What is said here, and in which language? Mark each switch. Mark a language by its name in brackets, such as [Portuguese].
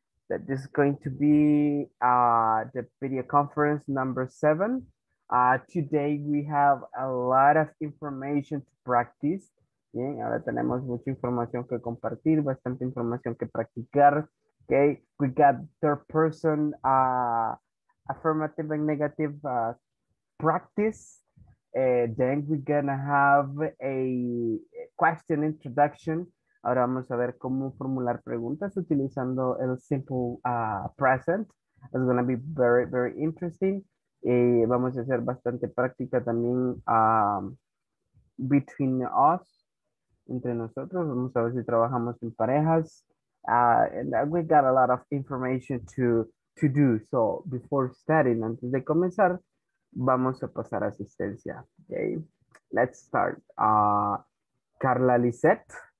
[English] That this is going to be the video conference number 7. Today we have a lot of information to practice. [Spanish] Bien, ahora tenemos mucha información que compartir, bastante información que practicar. [English] Okay, we got third person affirmative and negative practice. Then we're gonna have a question introduction. [Spanish] Ahora vamos a ver cómo formular preguntas utilizando el simple present. [English] It's gonna be very, very interesting. [Spanish] Y vamos a hacer bastante práctica también [English] between us, [Spanish] entre nosotros. Vamos a ver si trabajamos en parejas. [English] And we got a lot of information to do. So before starting, [Spanish] antes de comenzar, vamos a pasar asistencia. [English] Okay, let's start. Carla Lisette.